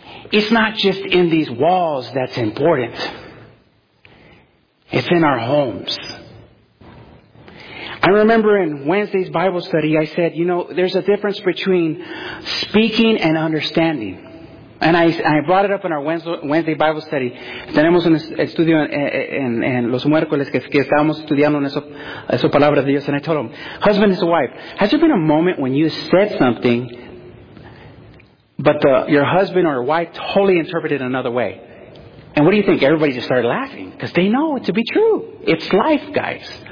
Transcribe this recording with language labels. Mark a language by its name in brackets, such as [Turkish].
[English] It's not just in these walls that's important. It's in our homes. I remember in Wednesday's Bible study, I said, you know, there's a difference between speaking and understanding. And I brought it up in our Wednesday Bible study. [Spanish] Tenemos un estudio en los miércoles que estábamos estudiando en eso palabras de Dios. [English] And I told him, husband and wife, has there been a moment when you said something, but your husband or wife totally interpreted it another way? And what do you think? Everybody just started laughing because they know it to be true. It's life, guys.